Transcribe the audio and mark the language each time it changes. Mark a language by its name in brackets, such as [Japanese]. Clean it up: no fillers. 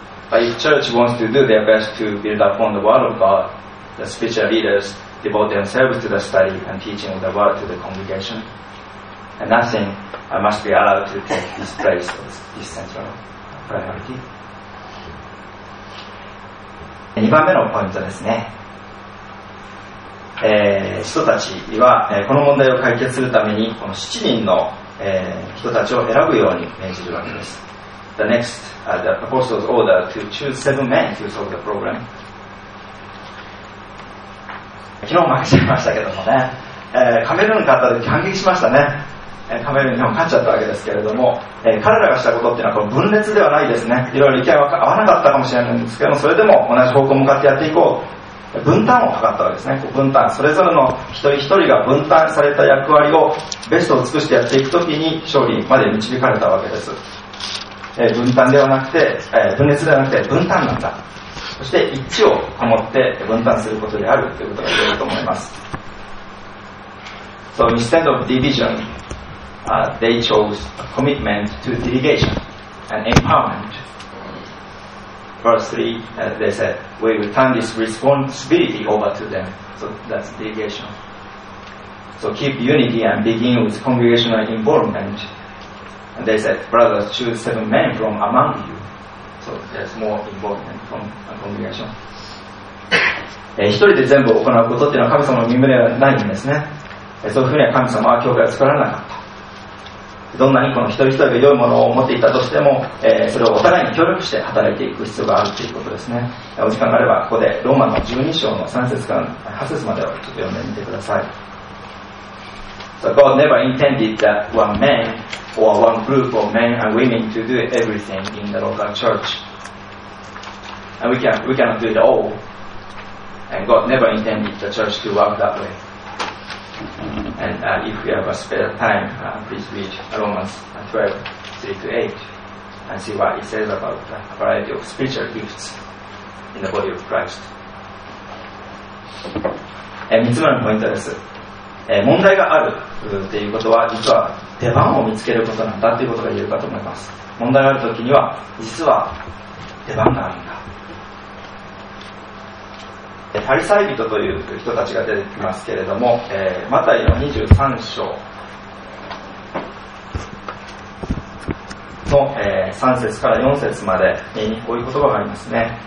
[English] But if church wants to do their best to build upon the Word of God, the spiritual leaders devote themselves to the study and teaching of the Word to the congregation, and nothing must be allowed to take this place as this central priority. [Japanese] 2番目のポイントですね、人たちは、この問題を解決するためにこの7人の、人たちを選ぶように命じるわけです。 [English] The next, the apostles order to choose seven men to solve the problem. [Japanese] 昨日も負けちゃいましたけどもね、カメルーン勝った時反撃しましたね。カメルーンにも勝っちゃったわけですけれども、彼らがしたことっていうのはこの分裂ではないですね。いろいろ理解は合わなかったかもしれないんですけども、それでも同じ方向向かってやっていこう、分担を図ったわけですね。こう分担、それぞれの一人一人が分担された役割をベストを尽くしてやっていくときに勝利まで導かれたわけです、分担ではなくて、分裂ではなくて分担なんだ。そして一致を保って分担することであるということが言えると思います。 [English] So instead of divisionthey chose a commitment to delegation and empowerment. Verse 3, they said, we will turn this responsibility over to them. So that's delegation. So keep unity and begin with congregational involvement. And they said, brothers, choose seven men from among you. So there's more involvement from a congregation. [Japanese] 一人で全部行うことっていうのは神様の御旨ではないんですね。そういうふうには神様は教会を作らなかった。どんなにこの一人一人が良いものを持っていたとしても、それをお互いに協力して働いていく必要があるということですね。お時間があればここでローマの12章の3節から8節までをちょっと読んでみてください。 [English] So God never intended that one man or one group of men and women to do everything in the local church. And we cannot do it all. And God never intended the church to work that way. And if we have a spare time, please read Romans 12:3-8 and see what it says about the variety of spiritual gifts in the body of Christ. [Japanese] 3つ目のポイントです。問題があるということは実は出番を見つけることなんだということが言えるかと思います。問題があるときには実は出番があるんだ。ファリサイ人という人たちが出てきますけれども、マタイの23章の、3節から4節までにこういう言葉がありますね。